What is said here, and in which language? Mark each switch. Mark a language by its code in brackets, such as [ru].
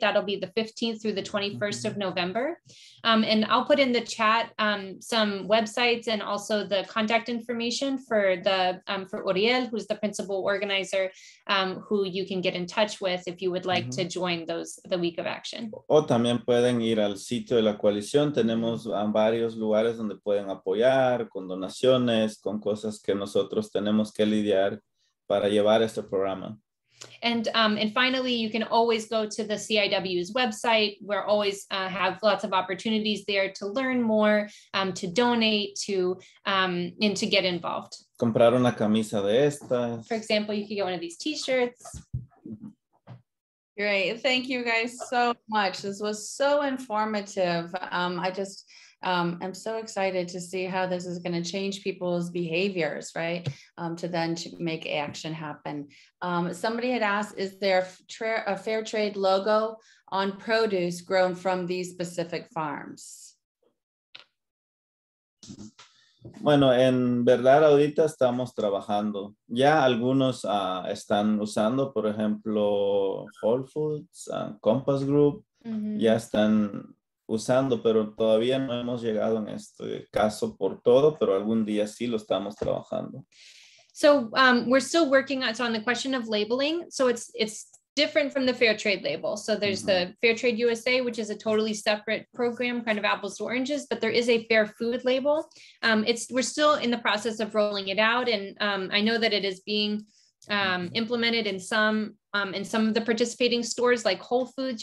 [en] That'll be the 15th through the 21st of November. And I'll put in the chat some websites and also the contact information for the for Uriel, who's the principal organizer, who you can get in touch with if you would like to join the week of action. [es] O también pueden ir al sitio de la coalición. Tenemos varios lugares donde pueden apoyar con donaciones, con cosas que nosotros tenemos que lidiar para llevar este programa. [en] And finally, you can always go to the CIW's website. We're always have lots of opportunities there to learn more, to donate, to and to get involved. [es] Comprar una camisa de estas. [en] For example, you can get one of these t-shirts. Great. Thank you guys so much. This was so informative. I'm so excited to see how this is going to change people's behaviors, right? To then to make action happen. Somebody had asked, is there a fair trade logo on produce grown from these specific farms? [es] Bueno, en verdad ahorita estamos trabajando. Ya algunos están usando, por ejemplo, Whole Foods, Compass Group, ya están usando, pero todavía no hemos llegado en este caso por todo, pero algún día sí lo estamos trabajando. [en] So we're still working on the question of labeling. So it's different from the Fair Trade label. So there's the Fair Trade USA, which is a totally separate program, kind of apples to oranges, but there is a Fair Food label. We're still in the process of rolling it out. And I know that it is being implemented in some of the participating stores like Whole Foods.